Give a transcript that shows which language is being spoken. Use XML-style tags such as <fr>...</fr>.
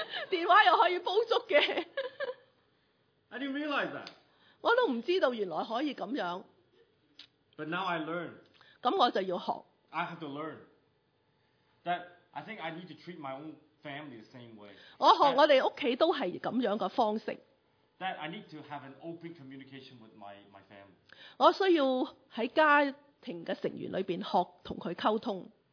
<yue>電話又可以煲粥嘅。</yue> <en>I didn't realize that。</en> <yue>我都唔知道原來可以咁樣。</yue> <en>But now I learn。</en> <yue>咁我就要學。</yue> <en>I have to learn。 That I think I need to treat my own family the same way.</en> <yue>我學我哋屋企都係咁樣嘅方式。</yue> <en>That I need to have an open communication with my family.</en> <yue>我需要喺家庭嘅成員裏邊學同佢溝通。</yue>